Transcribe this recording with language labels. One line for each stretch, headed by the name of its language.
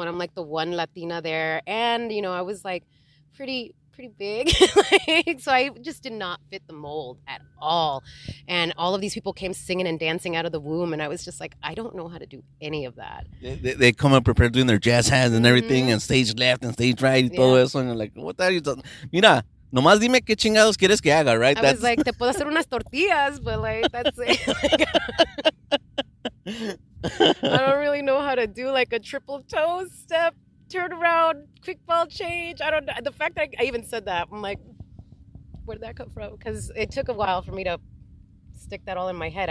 English: And I'm like the one Latina there. And, you know, I was like pretty big. Like, so I just did not fit the mold at all. And all of these people came singing and dancing out of the womb. And I was just like, I don't know how to do any of that. They come up prepared doing their jazz hands and everything and stage left and stage right and
Spanish: todo eso.
English: And you're like, what the hell are you doing?
Spanish: Mira, nomás dime qué chingados quieres que haga,
English: right? I was like,
Spanish: te puedo hacer unas tortillas,
English: but like, that's it. Like, I don't really know how to do like a triple toe step. Turn around, quick ball change. I don't know. The fact that I even said that, I'm like, where did that come from? Because it took a while for me to stick that all in my head.